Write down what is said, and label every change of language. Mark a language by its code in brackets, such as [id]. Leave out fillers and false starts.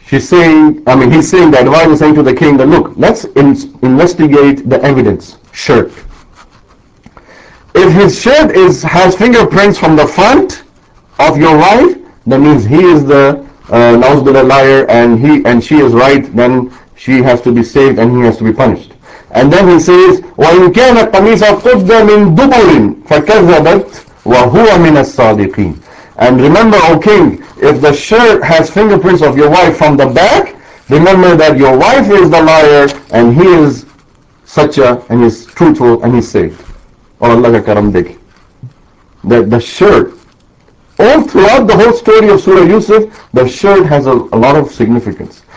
[en] He's saying, the advisor is saying to the king that, look, let's investigate the evidence, shirt. If his shirt has fingerprints from the front of your wife, that means he is the nausbillah liar, and he and she is right, then she has to be saved and he has to be punished. And then he says, [ar] وَإِنْ كَانَ قَمِيسَ قُدَّ مِنْ دُبُرٍ فَكَذَّبَتْ وَهُوَ مِنَ الصَّادِقِينَ. [en] And remember, O king, if the shirt has fingerprints of your wife from the back, remember that your wife is the liar and he is sacha and he's truthful and he's saved. Oh, [ur] Allah ka karam dekhi. [en] That the shirt, all throughout the whole story of Surah Yusuf, the shirt has a lot of significance.